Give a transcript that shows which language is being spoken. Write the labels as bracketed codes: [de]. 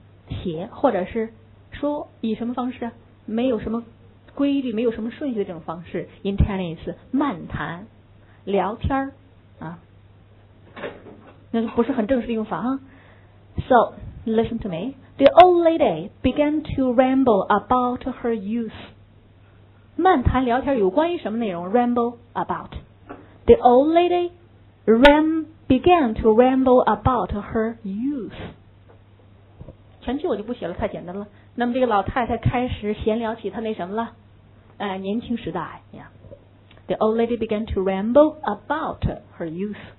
[zh] 写或者是说以什么方式没有什么规律没有什么顺序的这种方式 in tennis 漫谈聊天啊，那不是很正式的用法啊。 [en] So listen to me The old lady began to ramble about her youth [zh] 漫谈聊天有关于什么内容 ramble about [en] The old lady began to ramble about her youth [zh] 全句我就不写了太简单了那么这个老太太开始闲聊起她那什么了年轻时代 yeah. [en] The old lady began to ramble about her youth、